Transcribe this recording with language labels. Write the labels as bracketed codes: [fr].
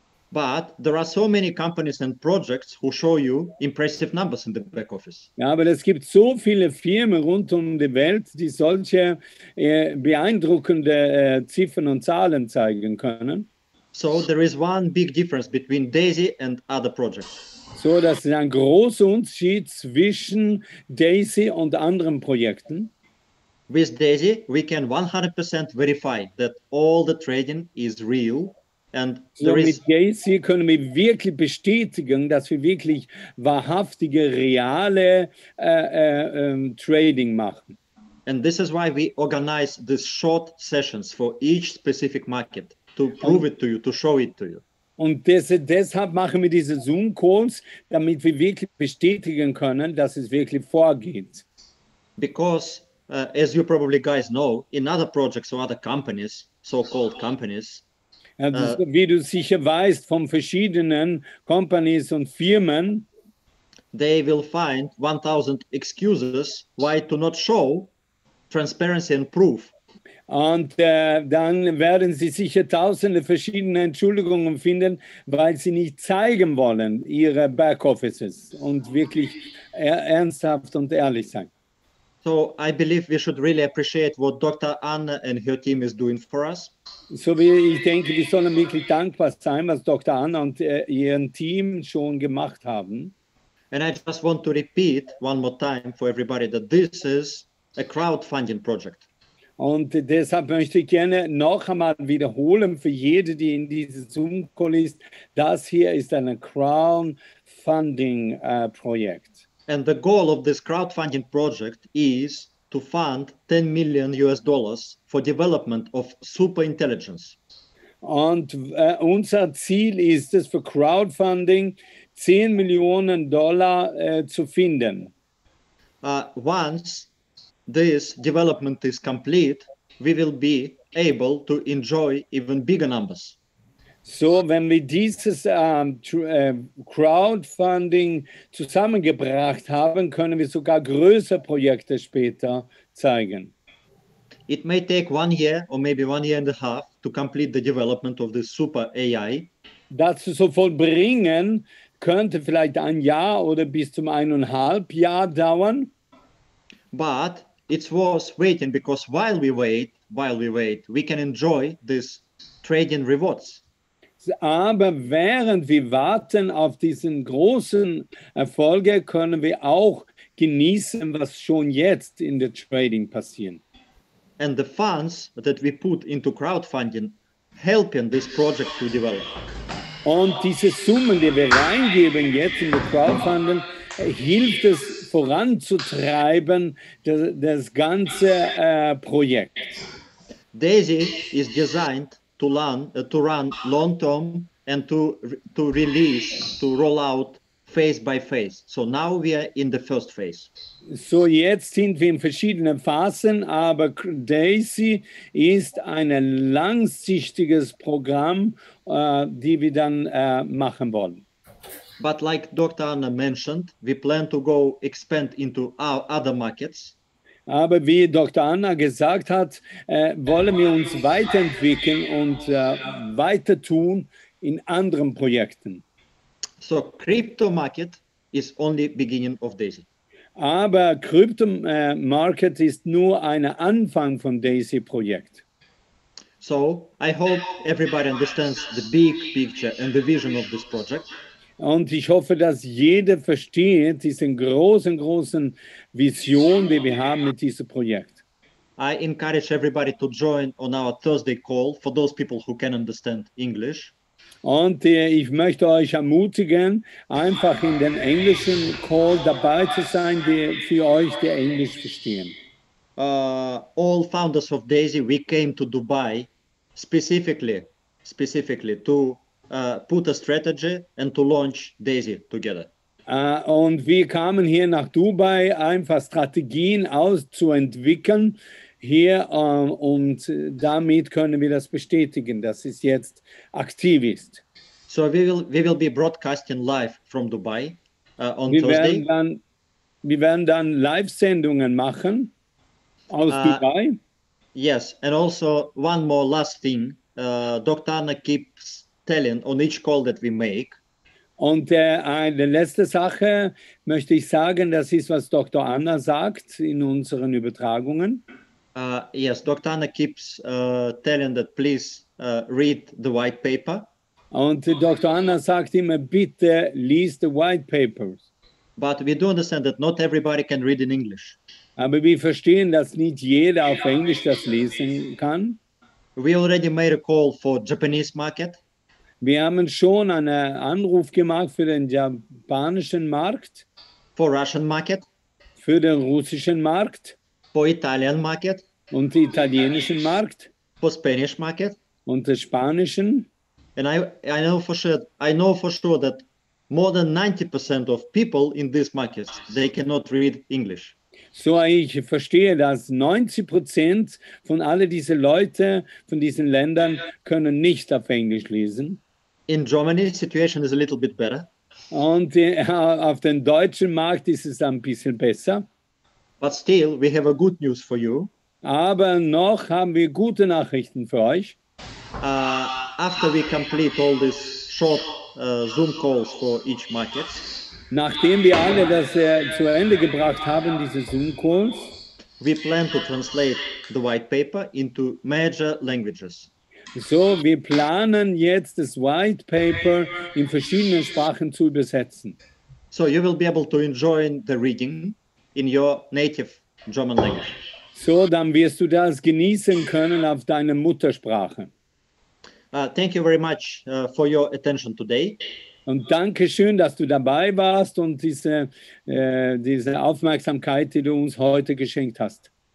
[en] But there are so many companies and projects who show you impressive numbers in the back office. [de] Ja, aber es gibt so viele Firmen rund um die Welt, die solche beeindruckende Ziffern und Zahlen zeigen können. [en] So there is one big difference between Daisy and other projects. [de] So, das ist ein großer Unterschied zwischen Daisy und anderen Projekten. [en] With Daisy, we can 100% verify that all the trading is real. And there [de] mit Daisy können wir wirklich bestätigen, dass wir wirklich wahrhaftige, reale Trading machen. [en] And this is why we organize these short sessions for each specific market. To prove it to you, to show it to you. [de] Und deshalb machen wir diese Zoom-Calls, damit wir wirklich bestätigen können, dass es wirklich vorgeht. [en] Because, as you probably guys know, in other projects or other companies, so-called companies. [de] Wie du sicher weißt, von verschiedenen Companies und Firmen. [en] They will find 1,000 excuses why to not show transparency and proof. [de] Und dann werden sie sicher tausende verschiedene Entschuldigungen finden, weil sie nicht zeigen wollen, ihre Backoffices und wirklich ernsthaft und ehrlich sein. [en] So I believe we should really appreciate what Dr. Anna and her team is doing for us. [de] So ich denke, wir sollen wirklich dankbar sein, was Dr. Anna und ihren Team schon gemacht haben. [en] And I just want to repeat one more time for everybody that this is a crowdfunding project. [de] Und deshalb möchte ich gerne noch einmal wiederholen für jede, die in diesem Zoom-Call ist, das hier ist ein Crowdfunding-Projekt. [en] And the goal of this crowdfunding project is to fund $10 million for development of superintelligence. [de] Und unser Ziel ist es, für Crowdfunding $10 million zu finden. [en] Once this development is complete, we will be able to enjoy even bigger numbers. [de] So, wenn wir dieses Crowdfunding zusammengebracht haben, können wir sogar größere Projekte später zeigen. [en] It may take 1 year or maybe 1.5 years to complete the development of this super AI. [de] Das zu so vollbringen, könnte vielleicht 1 Jahr oder bis zum 1.5 Jahr dauern. [en] But it's worth waiting, because while we wait, we can enjoy this trading rewards. [de] Aber während wir warten auf diesen großen Erfolge, können wir auch genießen, was schon jetzt in der Trading passiert. [en] And the funds that we put into crowdfunding helping this project to develop. [de] Und diese Summen, die wir reingeben jetzt in das Crowdfunding, hilft es voranzutreiben, das ganze Projekt. [en] Daisy is designed to run long-term and to roll out phase by phase. So now we are in the first phase. [de] So jetzt sind wir in verschiedenen Phasen, aber Daisy ist ein langsichtiges Programm, die wir dann machen wollen. [en] But like Dr. Anna mentioned, we plan to go expand into our other markets. [de] Aber wie Dr. Anna gesagt hat, wollen wir uns weiterentwickeln und weiter tun in anderen Projekten. [en] So crypto market is only beginning of Daisy. [de] Aber crypto market ist nur ein Anfang von Daisy Projekt. [en] So I hope everybody understands the big picture and the vision of this project. [de] Und ich hoffe, dass jeder versteht diese großen Vision, die wir haben mit diesem Projekt. [en] I encourage everybody to join on our Thursday call for those people who can understand English. [de] Und ich möchte euch ermutigen, einfach in den englischen Call dabei zu sein, die für euch, die Englisch verstehen. [en] All founders of Daisy, we came to Dubai specifically to put a strategy and to launch Daisy together. [de] Und wir kamen hier nach Dubai, einfach Strategien auszuentwickeln hier, und damit können wir das bestätigen, dass es jetzt aktiv ist. [en] So we will be broadcasting live from Dubai on [de] wir [en] Thursday. [de] Wir werden dann Live-Sendungen machen aus Dubai. [en] Yes, and also one more last thing. Dr. Anna keeps telling on each call that we make. [de] Und eine letzte Sache möchte ich sagen, das ist, was Dr. Anna sagt in unseren Übertragungen. [en] Yes, Dr. Anna keeps telling that please read the white paper. [de] Und Dr. Anna sagt immer, bitte lies [en] the white papers. But we do understand that not everybody can read in English. [de] Aber wir verstehen, dass nicht jeder auf Englisch das lesen kann. [en] We already made a call for Japanese market. [de] Wir haben schon einen Anruf gemacht für den japanischen Markt. [en] For Russian market. [de] Für den russischen Markt. [en] For Italian market. [de] Und den italienischen Markt. [en] For Spanish market. [de] Und den spanischen. [en] And I know for sure that more than 90% of people in these markets, they cannot read English. [de] So, ich verstehe, dass 90% von alle diese Leute von diesen Ländern können nicht auf Englisch lesen. [en] In Germany, the situation is a little bit better. [de] Und auf dem deutschen Markt ist es ein bisschen besser. [en] But still, we have a good news for you. [de] Aber noch haben wir gute Nachrichten für euch. [en] After we complete all these short Zoom calls for each market. [de] Nachdem wir alle das zu Ende gebracht haben, diese Zoom-Calls, [en] we plan to translate the white paper into major languages. [de] So, wir planen jetzt das White Paper in verschiedenen Sprachen zu übersetzen. [en] So, you will be able to enjoy the reading in your native German language. [de] So, dann wirst du das genießen können auf deiner Muttersprache. [en] Thank you very much for your attention today. [de] Und danke schön, dass du dabei warst und diese Aufmerksamkeit, die du uns heute geschenkt hast.